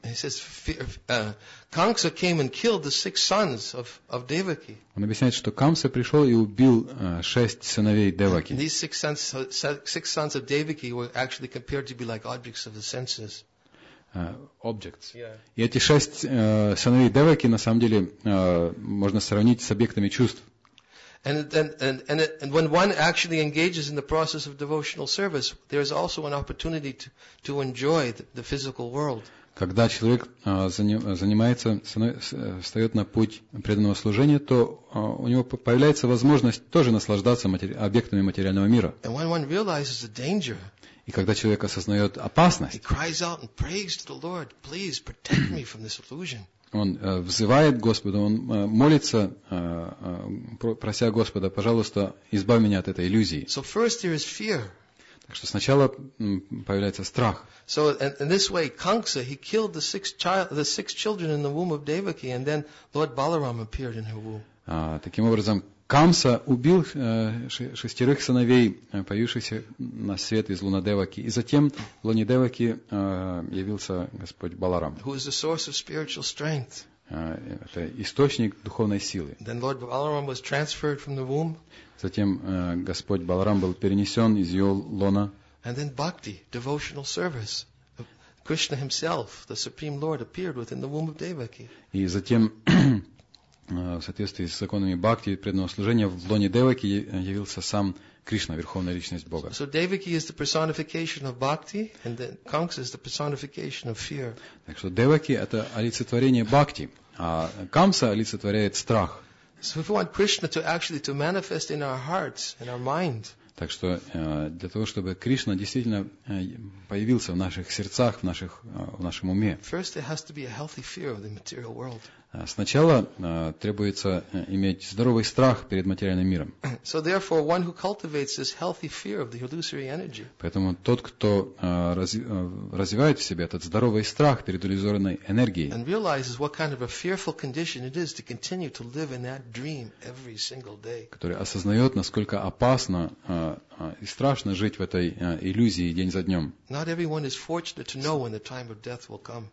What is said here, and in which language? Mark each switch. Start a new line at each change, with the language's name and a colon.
English: He says Kamsa came and killed the six sons of Devaki.
Russian: Он объясняет, что Камса пришел и убил шесть сыновей Деваки.
English: These six sons of Devaki were actually compared to be like objects of the senses. Objects. Yeah.
Russian: И эти шесть сыновей Деваки на самом деле можно сравнить с объектами чувств.
English: And when one actually engages in the process of devotional service, there is also an opportunity to enjoy the physical world.
Russian: Когда человек занимается, встает на путь преданного служения, то у него появляется возможность тоже наслаждаться объектами материального мира.
English: And when one realizes the danger,
Russian: и когда человек осознает опасность,
English: he cries out and prays to the Lord, please protect me from this illusion.
Russian: Он взывает Господа, он молится, прося Господа, пожалуйста, избавь меня от этой иллюзии.
English: So first there is fear.
Russian: Так что сначала появляется страх.
English: So in this way, Kamsa, he killed the six children in the womb of Devaki, and then Lord Balaram appeared in her womb.
Russian: Таким образом, Камса убил шестерых сыновей, появившихся на свет из луны Деваки. И затем в луне Деваки явился Господь Баларам.
English: Who is the source of spiritual strength.
Russian: Это источник духовной силы.
English: Then Lord Balaram was transferred from the womb.
Russian: Затем Господь Баларам был перенесен из ее лона.
English: And then bhakti, devotional service. Krishna himself, the Supreme Lord, appeared within the womb of Devaki.
Russian: И затем в соответствии с законами бхакти и преданного служения в лоне Деваки явился сам Кришна, Верховная Личность Бога.
English: So Devaki is the personification of bhakti, and then Kamsa is the personification of fear.
Russian: Так что Деваки это олицетворение бхакти, а Камса олицетворяет страх.
English: So if we want Krishna to manifest in our hearts, in our mind.
Russian: Так что для того, чтобы Кришна действительно появился в наших сердцах, в нашем уме.
English: First, there has to be a healthy fear of the material world.
Russian: Сначала требуется иметь здоровый страх перед материальным миром.
English: So therefore, one who cultivates this healthy fear of the illusory energy.
Russian: Поэтому тот, кто развивает в себе этот здоровый страх перед иллюзорной энергией.
English: And realizes what kind of a fearful condition it is to continue to live in that dream every single day.
Russian: Который осознает, насколько опасно и страшно жить в этой иллюзии день за днем.
English: Not everyone is fortunate to know when the time of death will come.